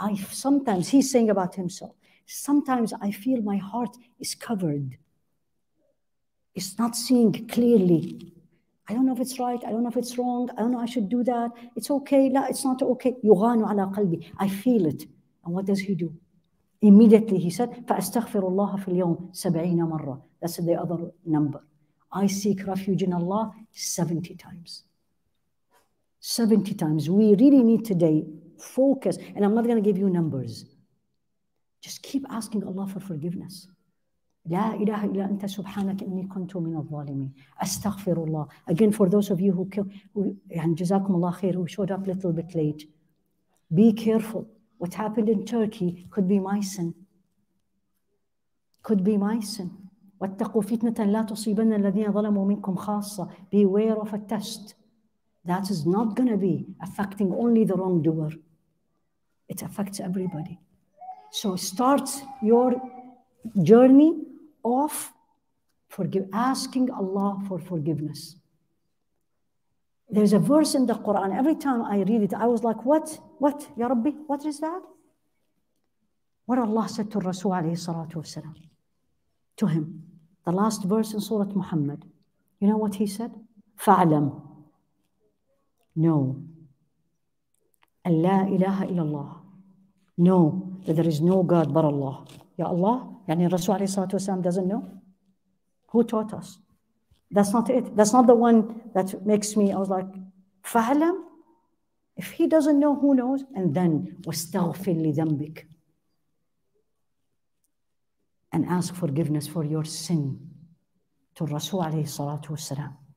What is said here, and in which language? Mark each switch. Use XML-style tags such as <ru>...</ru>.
<en>Sometimes he's saying about himself, sometimes I feel my heart is covered. It's not seeing clearly. I don't know if it's right, I don't know if it's wrong, I don't know I should do that. It's okay, no, it's not okay.</en> <ar>يُغَانُ عَلَى قَلْبِي,</ar> <en>I feel it. And what does he do?</en> <ar>Immediately he said, فَأَسْتَغْفِرُ اللَّهَ فِي الْيَوْمِ 70 مَرَّةً.</ar> <en>That's the other number. I seek refuge in Allah 70 times. 70 times. We really need today focus, and I'm not going to give you numbers. Just keep asking Allah for forgiveness.</en> <ar>لا إله إلا أنت سبحانك إني كنت من الظالمين أستغفر الله.</ar> <en>Again, for those of you who came,</en> <ar>جزاكم الله خير,</ar> <en>who showed up a little bit late, be careful. What happened in Turkey could be my sin. Could be my sin.</en> <ar>واتقوا فتنة لا تصيبن الذين ظلموا منكم خاصة.</ar> <en>Beware of a test that is not going to be affecting only the wrongdoer. It affects everybody. So start your journey of asking Allah for forgiveness. There's a verse in the Quran, every time I read it, I was like, what, Ya Rabbi, what is that? What Allah said to Rasul alayhi salatu wasalam, to him, the last verse in Surah Muhammad, you know what he said? Fa'alam, no,</en> <ar>la ilaha illallah,</ar> <en>no, that there is no God but Allah.</en> <ar>Ya Allah, يعني الرسول عليه الصلاة والسلام</ar> <en>doesn't know? Who taught us? That's not it. That's not the one that makes me, I was like, فَعْلَمْ If he doesn't know, who knows? And then,</en> <ar>wastaghfir li dhanbik.</ar> <en>And ask forgiveness for your sin to Rasul alayhi salatu wasalam.</en>